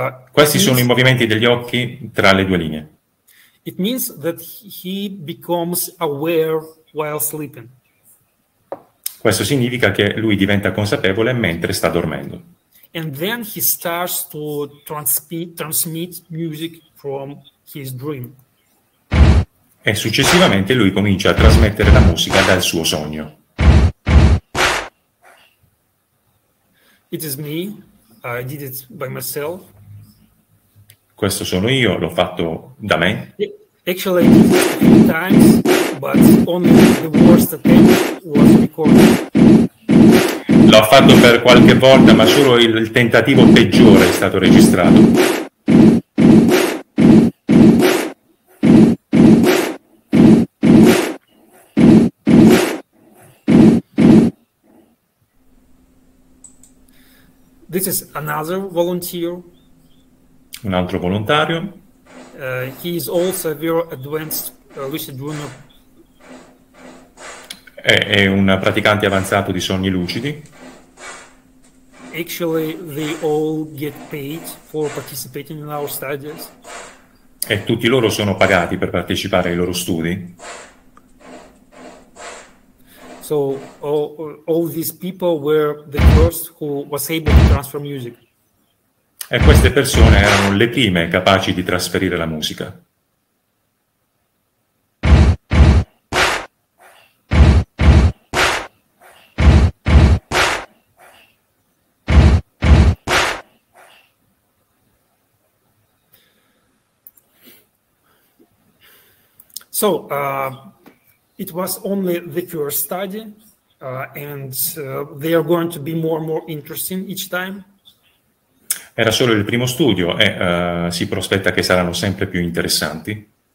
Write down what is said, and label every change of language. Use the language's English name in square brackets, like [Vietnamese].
[Italian] Questi sono i movimenti degli occhi tra le due linee. [English] It means that he becomes aware while sleeping. [Italian] Questo significa che lui diventa consapevole mentre sta dormendo. [English] And then he starts to transmit music from his dream. [Italian] E successivamente lui comincia a trasmettere la musica dal suo sogno. [English] It is me. I did it by myself. [Italian] Questo sono io, l'ho fatto da me. [English] Actually, I did it a few times, but only the worst attempt was recorded. [Italian] L'ho fatto per qualche volta, ma solo il tentativo peggiore è stato registrato. [English] This is another volunteer. [Italian] Un altro volontario. [English] He is also a very advanced lucid dreamer. [Italian] È un praticante avanzato di sogni lucidi. [English] Actually, they all get paid for participating in our studies. [Italian] E tutti loro sono pagati per partecipare ai loro studi. [English] So all these people were the first who was able to transfer music. [Italian] E queste persone erano le prime capaci di trasferire la musica. [English] So, it was only the first study, and they are going to be more and more interesting each time. [Italian] Era solo il primo studio e si prospetta che saranno sempre più interessanti.